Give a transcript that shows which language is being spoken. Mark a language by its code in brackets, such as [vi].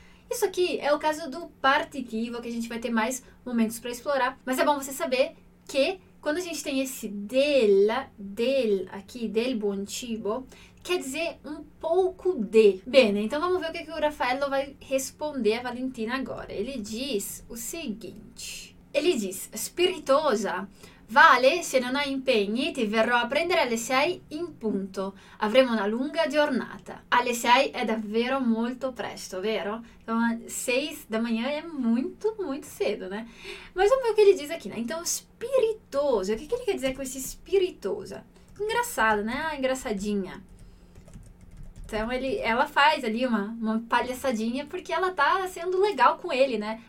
[pt] Isso aqui é o caso do partitivo, que a gente vai ter mais momentos para explorar. Mas é bom você saber que quando a gente tem esse del aqui, [it] del buon cibo, [pt] quer dizer um pouco de. Bene, então vamos ver o que, que o Raffaello vai responder a Valentina agora. Ele diz o seguinte. Ele diz, [it] spiritosa, vale, se non hai impegni, ti verrò a prendere alle 6 in punto. Avremo una lunga giornata. Alle 6 è davvero molto presto, vero? [pt] Então, 6 da manhã é muito, muito cedo, né? Mas vamos ver o que ele diz aqui, né? Então, spiritosa, o que, que ele quer dizer com esse spiritosa? Engraçado, né? Ah, engraçadinha. Então, ela faz ali uma palhaçadinha porque ela tá sendo legal com ele, né?